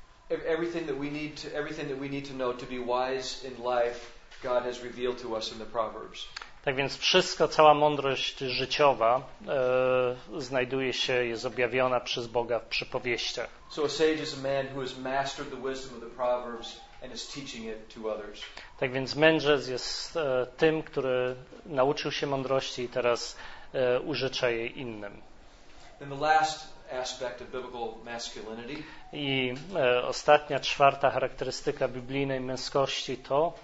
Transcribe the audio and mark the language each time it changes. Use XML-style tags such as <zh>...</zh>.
<en>Everything that we need to, everything that we need to know to be wise in life, God has revealed to us in the Proverbs.</en> <pl>Tak więc wszystko, cała mądrość życiowa znajduje się, jest objawiona przez Boga w przypowieściach.</pl> <en>So a sage is a man who has mastered the wisdom of the Proverbs and is teaching it to others.</en> <pl>Tak więc mędrzec jest tym, który nauczył się mądrości i teraz użycza jej innym.</pl> <en>And the last aspect of biblical masculinity.</en> <pl>I ostatnia, czwarta charakterystyka biblijnej męskości to</pl>